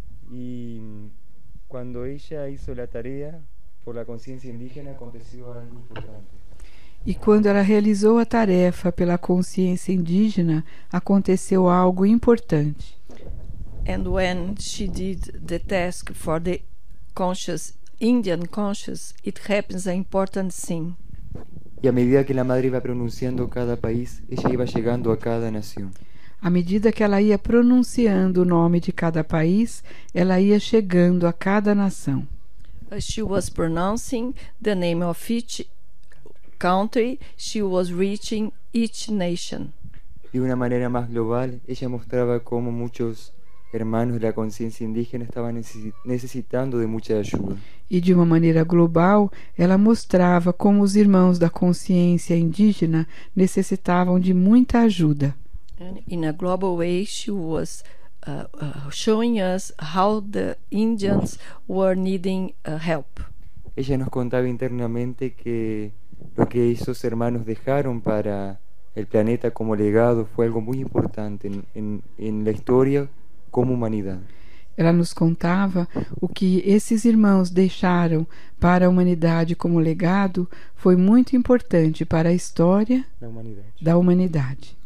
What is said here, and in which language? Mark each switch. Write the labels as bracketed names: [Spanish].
[Portuguese] E quando ela fez a tarefa [Spanish] por la [Portuguese] consciência indígena, aconteceu algo importante. E quando ela realizou a tarefa pela consciência indígena, aconteceu algo importante. [English] And when she did the task for the conscious Indian conscious, it happens an important thing. [Portuguese] E à medida que a madre ia pronunciando cada país, ela ia chegando a cada nação. À medida que ela ia pronunciando o nome de cada país, ela ia chegando a cada nação. [English] As she was pronouncing the name of each country, she was reaching each nation. [Spanish] Y de una manera más global, ella mostraba cómo muchos hermanos de la conciencia indígena estaban necesitando de mucha ayuda. Y de una manera global, ella mostraba cómo los [Portuguese] irmãos da consciência indígena necessitavam de muita ajuda. [English] In a global way, she was showing us how the Indians were needing help. [Spanish] Ella nos contaba internamente que lo que esos hermanos dejaron para el planeta como legado fue algo muy importante en la historia como humanidad. [Portuguese] Ela nos contava o que esses irmãos deixaram para a humanidade como legado foi muito importante para a história da humanidade.